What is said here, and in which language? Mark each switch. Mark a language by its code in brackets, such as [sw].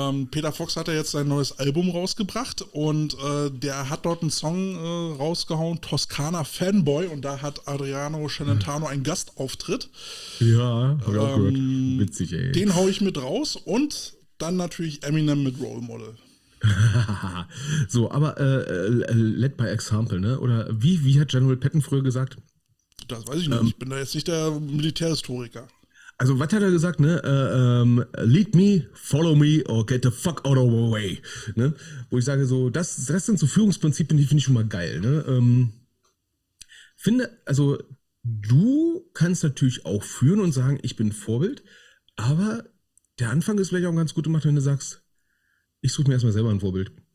[de] Peter Fox hat ja jetzt sein neues Album rausgebracht und der hat dort einen Song rausgehauen, Toskana Fanboy, und da hat Adriano Celentano einen Gastauftritt. Ja, hab ich auch gehört. Witzig, ey. Den hau ich mit raus und dann natürlich Eminem mit Role Model. So, aber [en] led by example, [de] ne? Oder wie hat General Patton früher gesagt? Das weiß ich nicht, ich bin da jetzt nicht der Militärhistoriker. Also, was hat er gesagt, ne? [en] Lead me, follow me, or get the fuck out of my way. [de] Ne? Wo ich sage, so, das sind so Führungsprinzipien, die finde ich schon mal geil, ne? Finde, also, du kannst natürlich auch führen und sagen, ich bin Vorbild, aber der Anfang ist vielleicht auch ganz gut gemacht, wenn du sagst, ich suche mir erstmal selber ein Vorbild.